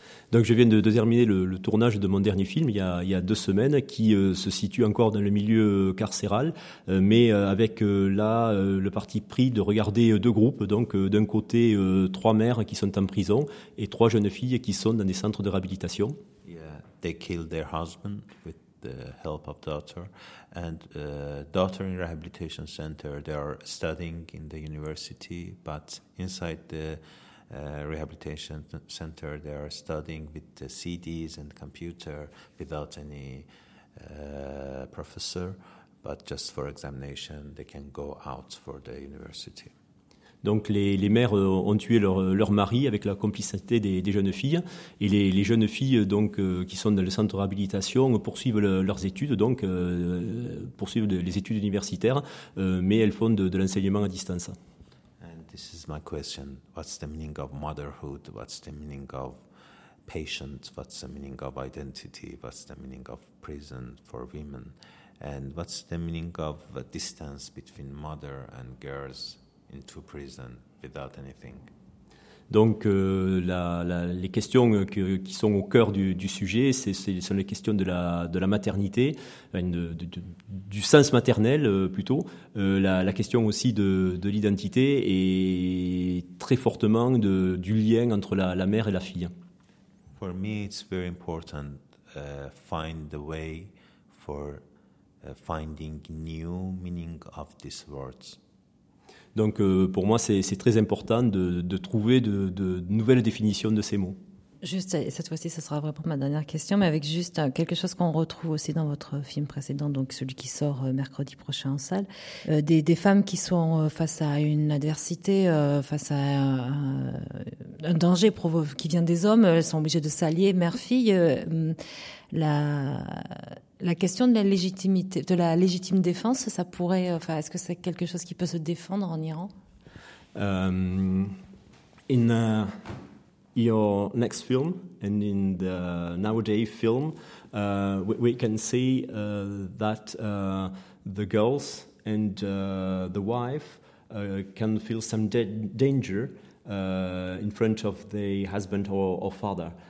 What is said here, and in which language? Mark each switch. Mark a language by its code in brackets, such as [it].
[fr] donc je viens de terminer le tournage de mon dernier film il y a deux semaines, qui se situe encore dans le milieu carcéral, mais avec le parti pris de regarder deux groupes, donc d'un côté trois mères qui sont en prison et trois jeunes filles qui sont dans des centres de réhabilitation. [en] Yeah, they killed their husband with the help of daughter, and daughter in rehabilitation center, they are studying in the university, but inside the rehabilitation center they are studying with the CDs and computer without any professor, but just for examination they can go out for the university. [fr] Donc les mères ont tué leur mari avec la complicité des jeunes filles, et les jeunes filles donc qui sont dans le centre de réhabilitation poursuivent leurs études, donc poursuivent les études universitaires, mais elles font de l'enseignement à distance. [en] And this is my question: what's the meaning of motherhood? What's the meaning of patience? What's the meaning of identity? What's the meaning of prison for women? And what's the meaning of the distance between mother and girls? Into prison without anything. [fr] Donc les questions qui sont au cœur du sujet, sont les questions de la maternité, du sens maternel plutôt, la question aussi de l'identité et très fortement du lien entre la mère et la fille. [en] For me, it's very important find the way for finding new meaning of these words. [fr] Donc pour moi, c'est très important de trouver de nouvelles définitions de ces mots. Juste, et cette fois-ci, ce sera vraiment ma dernière question, mais avec juste quelque chose qu'on retrouve aussi dans votre film précédent, donc celui qui sort mercredi prochain en salle. Des femmes qui sont face à une adversité, face à un danger qui vient des hommes, elles sont obligées de s'allier, mère-fille. La question de la légitimité, de la légitime défense, ça pourrait, enfin, est-ce que c'est quelque chose qui peut se défendre en Iran? [en] Your next film and in the nowadays film, we can see that the girls and the wife can feel some danger in front of the husband or father.